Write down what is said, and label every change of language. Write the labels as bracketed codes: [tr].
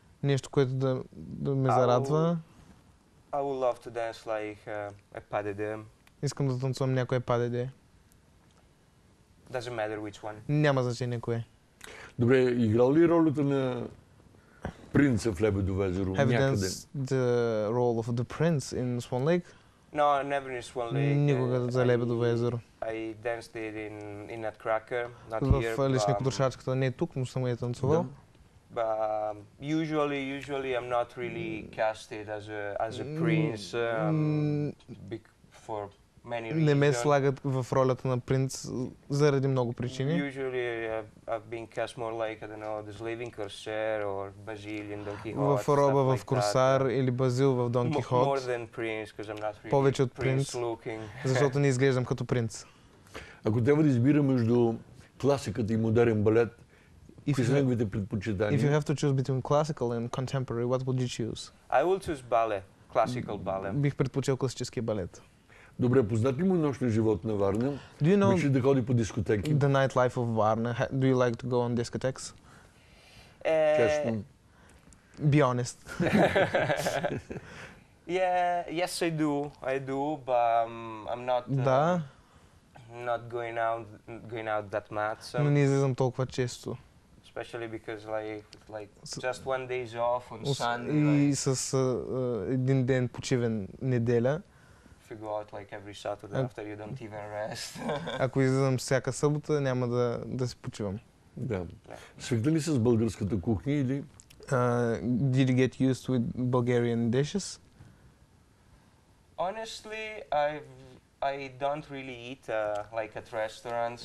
[bg] Нещо, което да ме зарадва. [en] I would love to dance like a pas de deux. [bg] Искам да танцувам някое pas de deux. [en] Doesn't matter which one. [bg] Няма значение кое. Добре, играл ли ролята на принца в Лебедово езеро някъде? [en] Have you danced the role of the prince in Swan Lake? No, never in Swan Lake. [bg] Никога за Лебедово езеро. [en] I danced it in Nutcracker, not here. [bg] В лични кутрушачката, не тук, но съм я танцувал. [en] But usually I'm not really casted as a prince for many reasons. [bg] Не ме слагат в ролята на принц заради много причини. [en] Usually I've been cast more like, I don't know, the slave in Corsair or Basil in Don Quixote. [bg] В роба в Корсар или Базил в Дон Кихот. [en] More than prince, because I'm not really [bg] повече от [en] prince looking. [bg] Защото не изглеждам като принц. Ако трябва да избира между класиката и модерен балет, [en] If you have to choose between classical and contemporary, what would you choose? I will choose ballet, classical ballet. [bg] Бих предпочел класическия балет. Добре, познат ли му нощния живот на Варна? [en] Do you know [bg] Мишли да ходи по дискотеки? [en] The nightlife of Varna. Do you like to go on discotheques? [bg] Честно. [en] Be honest. Yes, I do. I do, but I'm not. [bg] Да. [en] Not going out that much. [bg] Но не излизам толкова често. [en] Especially because like just one day off on Sunday. [bg] И с един ден почивен неделя. [en] If you go out like every Saturday after you don't even rest. [bg] Ако излизам всяка събота, няма да се почивам. Да. Свикнал ли си с българската кухня или? [en] Did you get used with Bulgarian dishes? Honestly, I don't really eat like at restaurants.